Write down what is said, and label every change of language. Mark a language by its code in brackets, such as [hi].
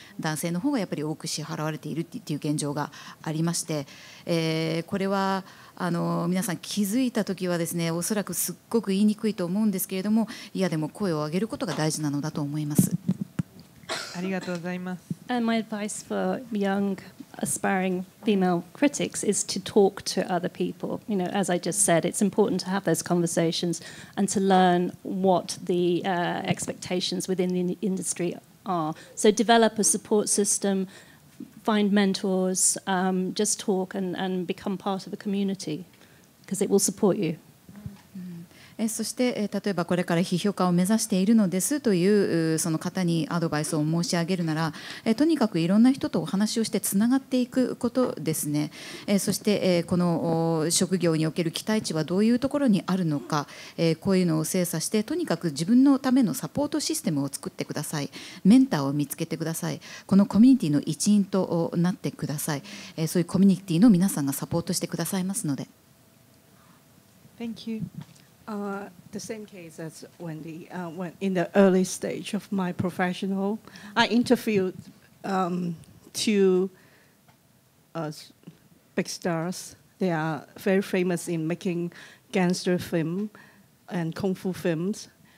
[ja] 男性の方がやっぱり多く支払われているっていう現状がありまして、これは皆さん気づいた時はですね、おそらくすっごく言いにくいと思うんですけれども、いやでも声を上げることが大事なのだと思います。ありがとうございます。 [en] And my advice for young aspiring female critics is to talk to other people. You know, as I just said, it's important to have those conversations and to learn what the expectations within the industry are. So develop a support system, find mentors, just talk and become part of a community because it will support you. [ja] そして例えばこれから批評家を目指しているのですというその方にアドバイスを申し上げるなら、とにかくいろんな人とお話をしてつながっていくことですね。そしてこの職業における期待値はどういうところにあるのか、こういうのを精査して、とにかく自分のためのサポートシステムを作ってください。メンターを見つけてください。このコミュニティの一員となってください。そういうコミュニティの皆さんがサポートしてくださいますので。 [en] Thank you. The same case as Wendy. When in the early stage of my professional, I interviewed two big stars. They are very famous in making gangster film and kung fu films.